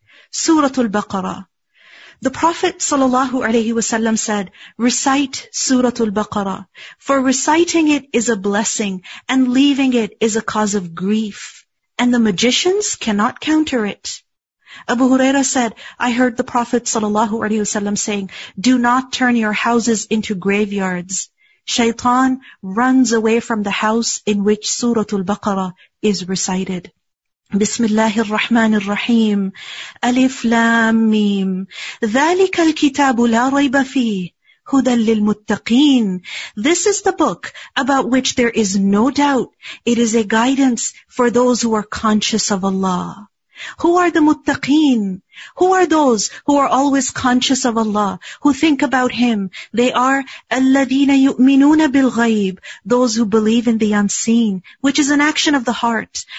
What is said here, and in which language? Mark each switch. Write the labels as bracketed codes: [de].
[en] Surah Al-Baqarah. The Prophet sallallahu alaihi wasallam said, recite Surah Al-Baqarah, for reciting it is a blessing and leaving it is a cause of grief, and the magicians cannot counter it. Abu Huraira said, I heard the Prophet sallallahu alaihi wasallam saying, do not turn your houses into graveyards. Shaitan runs away from the house in which Surah Al-Baqarah is recited. [ar] بسم الله الرحمن الرحيم ألف لام ميم ذلك الكتاب لا ريب فيه هدى للمتقين. [en] This is the book about which there is no doubt. It is a guidance for those who are conscious of Allah. Who are the muttaqeen? Who are those who are always conscious of Allah, who think about Him? They are [ar] الَّذِينَ يُؤْمِنُونَ بِالْغَيْبِ, [en] those who believe in the unseen, which is an action of the heart.